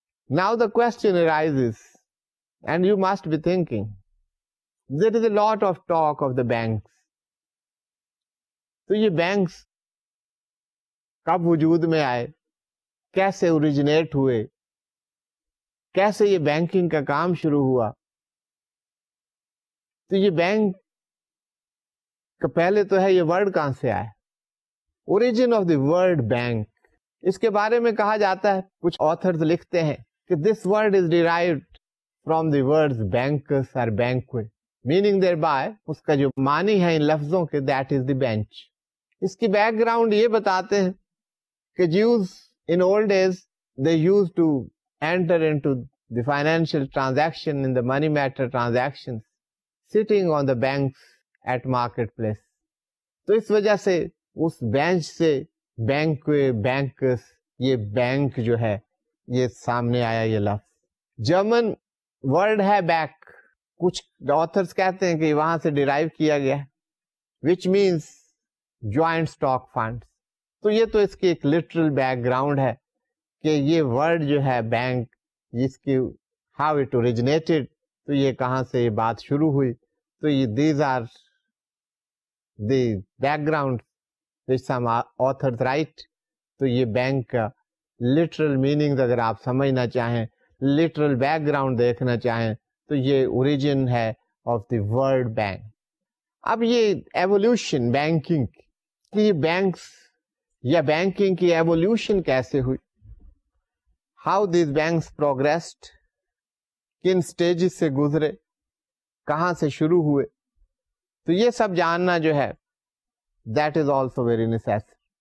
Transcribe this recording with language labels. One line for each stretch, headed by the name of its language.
English: now the question arises and you must be thinking, there is a lot of talk of the banks,
Urdu: تو یہ banks کب وجود میں آئے, کیسے اوریجنیٹ ہوئے, کیسے یہ بینکنگ کا کام شروع ہوا, تو یہ بینک کا پہلے تو ہے یہ ورڈ کہاں سے آئے,
English: Origin of the word bank.
Urdu: اس کے بارے میں کہا جاتا ہے, کچھ آتھرز لکھتے ہیں کہ
English: this word is derived from the words bankers
Urdu: اور
English: banquet, meaning thereby
Urdu: اس کا جو معنی ہے ان لفظوں کے,
English: That is the bench.
Urdu: اس کی بیک گراؤنڈ یہ بتاتے ہیں کہ
English: Jews in old days they use to enter into the financial transaction in the money matter transactions sitting on the banks at marketplace.
Urdu: تو اس وجہ سے اس بینچ سے بینکوے, بینکرز, یہ بینک جو ہے یہ سامنے آیا یہ لفظ. جرمن ورڈ ہے بیک, کچھ آتھرز کہتے ہیں کہ وہاں سے ڈیرائیو کیا گیا,
English: Which means joint stock funds.
Urdu: تو یہ تو اس کی ایک لٹرل بیک گراؤنڈ ہے کہ یہ ورڈ جو ہے بینک, جس کی
English: how it originated,
Urdu: تو یہ کہاں سے یہ بات شروع ہوئی. تو یہ
English: These are the background which some authors write.
Urdu: تو یہ بینک کا لٹرل میننگ اگر آپ سمجھنا چاہیں, لٹرل بیک گراؤنڈ دیکھنا چاہیں, تو یہ اوریجن ہے
English: Of the word bank.
Urdu: اب یہ ایولیوشن بینکنگ کی, بینکس یا بینکنگ کی ایولیوشن کیسے ہوئی,
English: how these banks progressed,
Urdu: کن stages سے گزرے, کہاں سے شروع ہوئے, تو یہ سب جاننا جو ہے
English: that is also very necessary.